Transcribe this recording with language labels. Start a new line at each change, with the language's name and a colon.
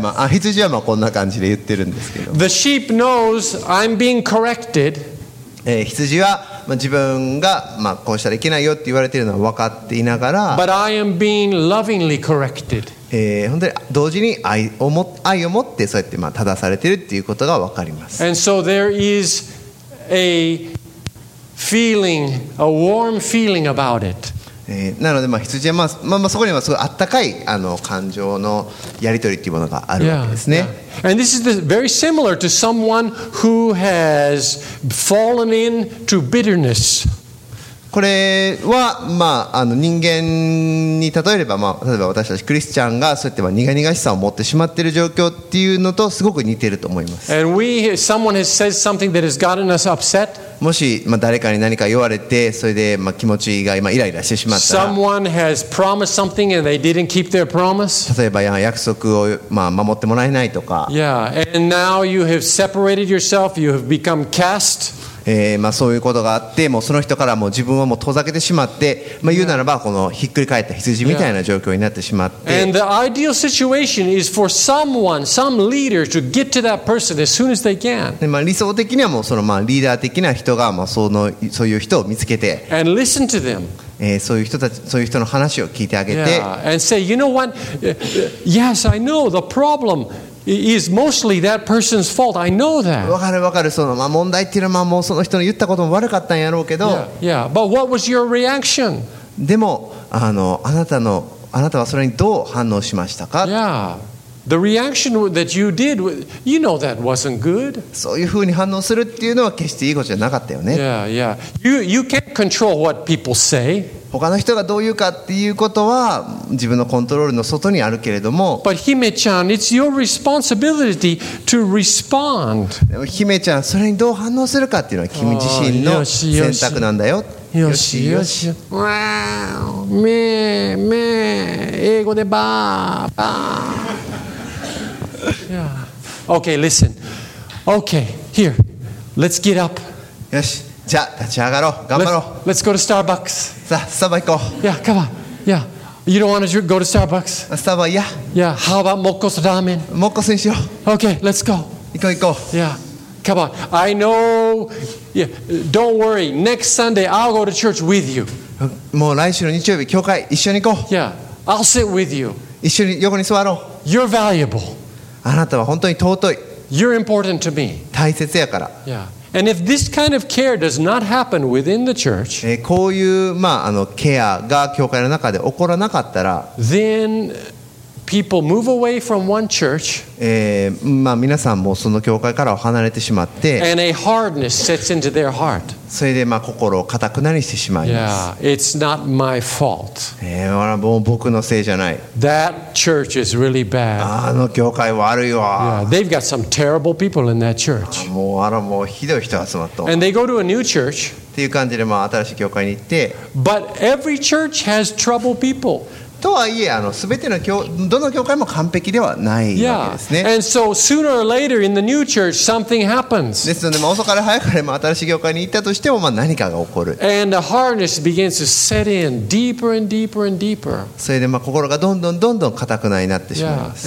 Japanese: 羊はこんな感じで言ってるんですけど。
English: The sheep knows I'm being corrected.
Japanese: 羊は自分がこうしたらいけないよって言われてるのは分かっていながら。
English: But I am being lovingly corrected.
Japanese: 本当に同時に愛を持ってそうやって正されてるっていうことが分かります。
English: And so there is a feeling, a warm feeling about it.
Japanese: なので羊はそこにはすごいあったかい感情のやり取りというものがあるわけですね。
English: yeah, yeah. And this is very similar to someone who has fallen into bitterness.
Japanese: これは人間に例えれば例えば私たちクリスチャンがそうやって苦々しさを持ってしまっている状況っていうのとすごく似ていると思います。
English: And someone has said something that has gotten us upset.
Japanese: もし誰かに何か言われてそれで気持ちが今イライラしてしまったら、
English: Someone has promised something and they didn't keep their promise.
Japanese: 例えば約束を守ってもらえないとか、
English: Yeah, and now you have separated yourself, you have become cast.
Japanese: そういうことがあってもうその人からもう自分をもう遠ざけてしまって、言うならばこのひっくり返った羊みたいな状況になってしまって、
English: yeah. And the ideal situation is for someone, some leader to get to that person as soon as they can.
Japanese: 理想的にはもうそのリーダー的な人がそういう人を見つけて、
English: And listen to them.
Japanese: そういう人の話を聞いてあげて、
English: yeah. And say, you know what? Yes, I know the problem. Is mostly that person's fault. I know that.
Japanese: わかるわかる。その問題っていうのはもうその人の言ったことも悪かったんやろうけど。
English: Yeah, yeah. But what was your reaction?
Japanese: でもあなたはそれにどう反応しましたか
English: ？Yeah. The reaction that you did, you know, that wasn't good.
Japanese: そういうふうに反応するっていうのは決していいことじゃなかったよね。
English: Yeah, yeah. You can't control what people say.
Japanese: 他の人がどう言うかっていうことは自分のコントロールの外にあるけれども。
English: But Hime-chan, it's your responsibility to respond.
Japanese: でも姫ちゃん、それにどう反応するかっていうのは君自身の選択なんだよ。よしよし。わあ、めめ、英語でバーバー。
English: Yeah. Okay, listen. Okay, here. Let's get up.
Japanese: よし。じゃあ立ち上がろう、頑張ろう。
English: Let's go to Starbucks.
Japanese: さあ、スタバ行こう。
English: Yeah, come on. Yeah, you don't want to go to Starbucks.
Japanese: スタバ、いや。
English: Yeah, how about モッコスラーメン？
Japanese: モッコスにしよう。
English: Okay, let's go.
Japanese: 行こう行こう。
English: Yeah, come on. I know. Yeah, don't worry. Next Sunday, I'll go to church with you.
Japanese: もう来週の日曜日教会一緒に行こう。
English: Yeah, I'll sit with you.
Japanese: 一緒に横に座ろう。
English: You're valuable.
Japanese: あなたは本当に尊い。
English: You're important to me.
Japanese: 大切やから。
English: Yeah. And if this kind of care does not happen within the church,
Japanese: こういう、まあ、あのケアが教会の中で起こらなかったら、
English: then people move away from one church,
Japanese: まあ皆さんもその教会からは離れてしまって、
English: and a hardness sets into their heart.
Japanese: それでまあ心を固くなりしてしまいます。
English: Yeah, it's not my fault.
Japanese: もう僕のせいじゃない。
English: That church is really bad.
Japanese: あの教会悪いわ。
English: Yeah, they've got some terrible people in that church.
Japanese: もうあらもうひどい人集まった。
English: And they go to a new church.
Japanese: っていう感じでまあ新しい教会に行って、
English: but every church has trouble people.
Japanese: とはいえ、全ての教どの教会も完璧ではないわけですね。
English: Yeah. And so sooner or later in the new church something happens.
Japanese: ですので、遅かれ早かれ新しい教会に行ったとしても、まあ、何かが起こる。
English: And the hardness begins to set in deeper and deeper and deeper.
Japanese: それで、まあ、心がどんどんどんどん固くなりになってしまいます。